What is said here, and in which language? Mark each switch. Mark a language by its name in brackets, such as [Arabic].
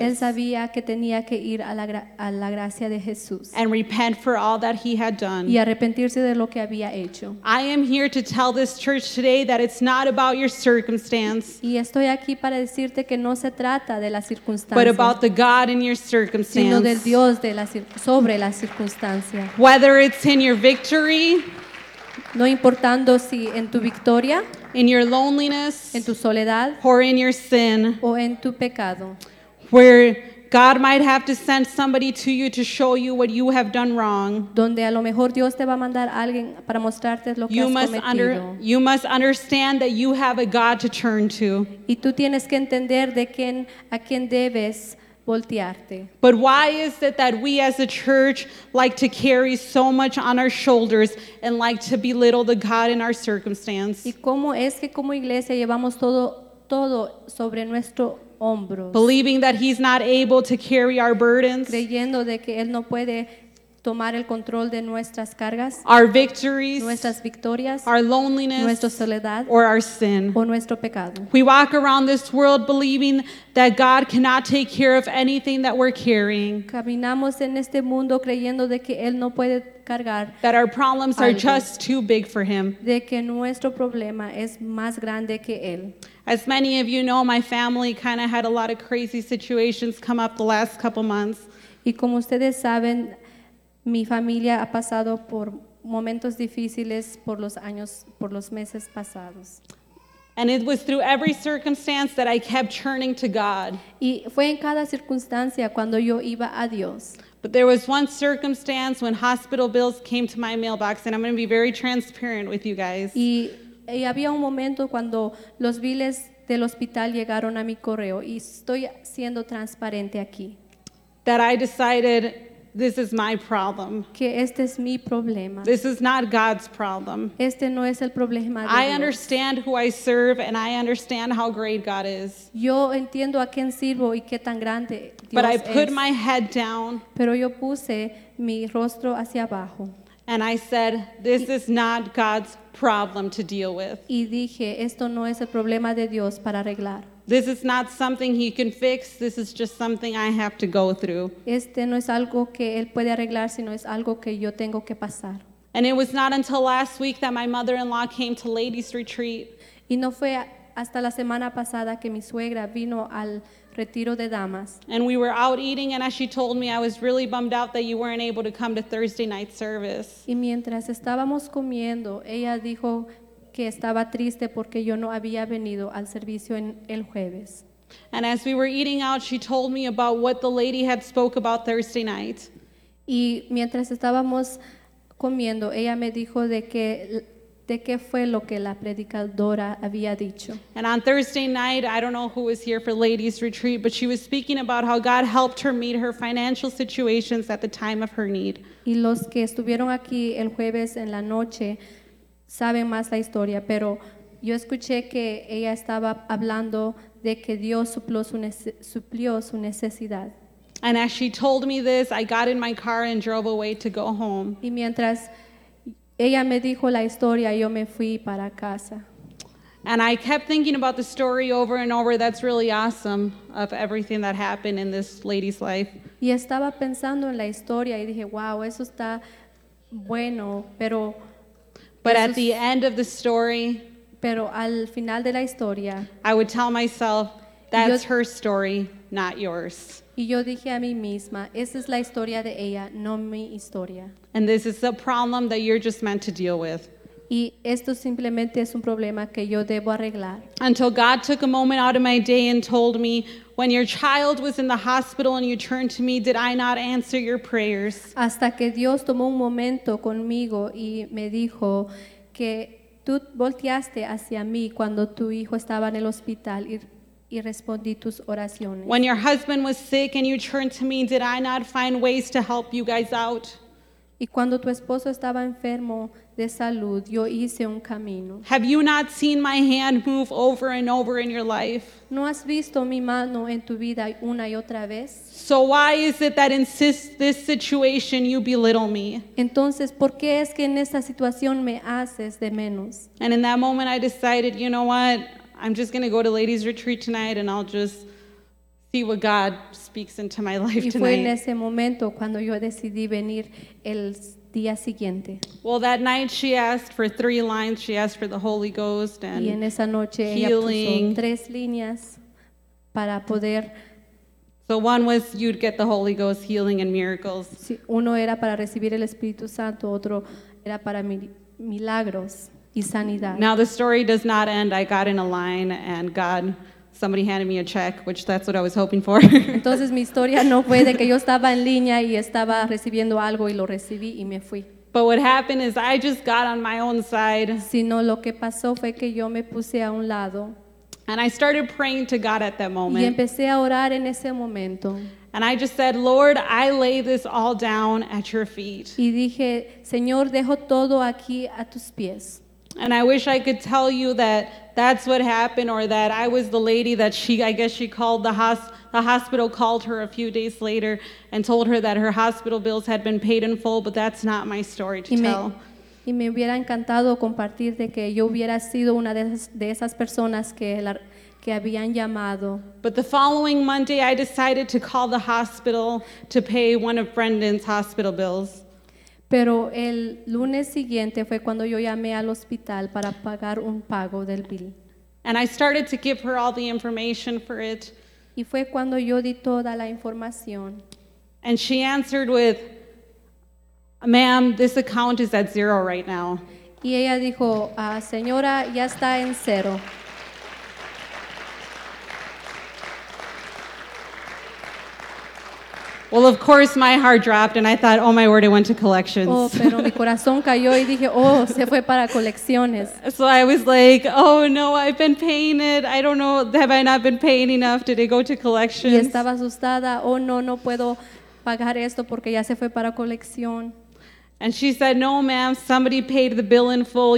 [Spanish] Él sabía que tenía que ir a la gracia de Jesús. [English] And repent for all that he had done. [Spanish] Y arrepentirse de lo que había hecho. [English] I am here to tell this church today that it's not about your circumstance. [Spanish] Y estoy aquí para decirte que no se trata de las circunstancias. [English] But about the God in your circumstance. [Spanish] Sino del Dios de la sobre la circunstancia. [English] Whether it's in your victory, [Spanish] no importando si en tu victoria, [English] in your loneliness, [Spanish] en tu soledad, [English] or in your sin, [Spanish] o en tu pecado, [English] where God might have to send somebody to you to show you what you have done wrong, [Spanish] donde a lo mejor Dios te va a mandar alguien para mostrarte lo que [English] you [Spanish] has [English] must [Spanish] cometido. [English] You must understand that you have a God to turn to. [Spanish] Y tú tienes que entender de quién a quién debes voltearte. [English] But why is it that we as a church like to carry so much on our shoulders and like to belittle the God in our circumstance? [Spanish] ¿Y cómo es que como iglesia llevamos todo sobre nuestro hombro? [English] Believing that he's not able to carry our burdens. [Spanish] Creyendo de que él no puede tomar el control de nuestras cargas. [English] Our victories, [Spanish] nuestras victorias, [English] our loneliness, [Spanish] nuestra soledad, [English] or our sin, [Spanish] o nuestro pecado. [English] We walk around this world believing that God cannot take care of anything that we're carrying. [Spanish] Caminamos en este mundo creyendo de que él no puede cargar. [English] That our problems [Spanish] algo, [English] are just too big for him. [Spanish] De que nuestro problema es más grande que él. [English] As many of you know, my family kind of had a lot of crazy situations come up the last couple months. [Spanish] Y como ustedes saben, mi familia ha pasado por momentos difíciles por los años, por los meses pasados. [English] And it was through every circumstance that I kept turning to God. [Spanish] Y fue en cada circunstancia cuando yo iba a Dios. [English] But there was one circumstance when hospital bills came to my mailbox, and I'm going to be very transparent with you guys. [Spanish] Y había un momento cuando los biles del hospital llegaron a mi correo, y estoy siendo transparente aquí. [English] That I decided this is my problem. [Spanish] Que este es mi problema. [English] This is not God's problem. [Spanish] Este no es el problema de Dios. [English] I understand who I serve and I understand how great God is. [Spanish] Yo entiendo a quien sirvo y qué tan grande Dios es. [English] But I put my head down. [Spanish] Pero yo puse mi rostro hacia abajo. [English] And I said, this is not God's problem to deal with. [Spanish] Y dije, esto no es el problema de Dios para arreglar. [English] This is not something he can fix. This is just something I have to go through. [Spanish] Este no es algo que él puede arreglar, sino es algo que yo tengo que pasar. [English] And it was not until last week that my mother-in-law came to ladies' retreat. [Spanish] Y no fue hasta la semana pasada que mi suegra vino al retiro de damas. [English] And we were out eating, and as she told me, I was really bummed out that you weren't able to come to Thursday night service. [Spanish] Y mientras estábamos comiendo, ella dijo que estaba triste porque yo no había venido al servicio en el jueves. [English] And as we were eating out, she told me about what the lady had spoke about Thursday night. [Spanish] Y mientras estábamos comiendo, ella me dijo de qué fue lo que la predicadora había dicho. [English] And on Thursday night, I don't know who was here for ladies' retreat, but she was speaking about how God helped her meet her financial situations at the time of her need. [Spanish] Y los que estuvieron aquí el jueves en la noche saben más la historia, pero yo escuché que ella estaba hablando de que Dios suplió su necesidad. [English] And as she told me this, I got in my car and drove away to go home. [Spanish] Y mientras ella me dijo la historia, yo me fui para casa. [English] And I kept thinking about the story over and over. That's really awesome of everything that happened in this lady's life. [Spanish] Y estaba pensando en la historia y dije, wow, eso está bueno, pero... [English] But at the end of the story, [Spanish] pero al final de la historia, [English] I would tell myself, that's her story, not yours. [Spanish] Y yo dije a mí misma, esa es la historia de ella, no mi historia. [English] And this is a problem that you're just meant to deal with. [Spanish] Y esto simplemente es un problema que yo debo arreglar. [English] Until God took a moment out of my day and told me, when your child was in the hospital and you turned to me, did I not answer your prayers? [Spanish] Hasta que Dios tomó un momento conmigo y me dijo que tú volteaste hacia mí cuando tu hijo estaba en el hospital y respondí tus oraciones. [English] When your husband was sick and you turned to me, did I not find ways to help you guys out? [Spanish] Y cuando tu esposo estaba enfermo de salud, yo hice un camino. [English] Have you not seen my hand move over and over in your life? [Spanish] ¿No has visto mi mano en tu vida una y otra vez? [English] So why is it that in this situation you belittle me? [Spanish] Entonces, ¿por qué es que en esta situación me haces de menos? [English] And in that moment I decided, you know what? I'm just going to go to ladies' retreat tonight and I'll just see what God speaks into my life tonight. [Spanish] Y fue en ese momento cuando yo decidí venir el día siguiente. [English] Well, that night she asked for 3 lines. She asked for the Holy Ghost and [Spanish] y en esa noche [English] healing. [Spanish] Ella puso 3 líneas para poder. [English] So one was you'd get the Holy Ghost, healing and miracles. [Spanish] Sí, uno era para recibir el Espíritu Santo, otro era para milagros y sanidad. [English] Now the story does not end. I got in a line and God. Somebody handed me a check, which that's what I was hoping for. [Spanish] Entonces mi historia no fue de que yo estaba en línea y estaba recibiendo algo y lo recibí y me fui. [English] But what happened is I just got on my own side. [Spanish] Sino lo que pasó fue que yo me puse a un lado. [English] And I started praying to God at that moment. [Spanish] Y empecé a orar en ese momento. [English] And I just said, Lord, I lay this all down at your feet. [Spanish] Y dije, Señor, dejo todo aquí a tus pies. [English] And I wish I could tell you that that's what happened or that I was the lady that the hospital called her a few days later and told her that her hospital bills had been paid in full, but that's not my story to tell. [Spanish] Y me hubiera encantado compartir de que yo hubiera sido una de esas personas que habían llamado. [English] But the following Monday, I decided to call the hospital to pay one of Brendan's hospital bills. [Spanish] Pero el lunes siguiente fue cuando yo llamé al hospital para pagar un pago del bill. [English] And I started to give her all the information for it. [Spanish] Y fue cuando yo di toda la información. [English] And she answered with, ma'am, this account is at 0 right now. [Spanish] Y ella dijo, señora, ya está en cero. [English] Well, of course, my heart dropped, and I thought, oh, my word, it went to collections. [Spanish] Oh, pero mi corazón cayó y dije, oh, se fue para colecciones. [English] So I was like, oh, no, I've been paying it. I don't know, have I not been paying enough? Did it go to collections? [Spanish] Y estaba asustada. Oh, no, no puedo pagar esto porque ya se fue para colección. [English] And she said, no, ma'am, somebody paid the bill in full.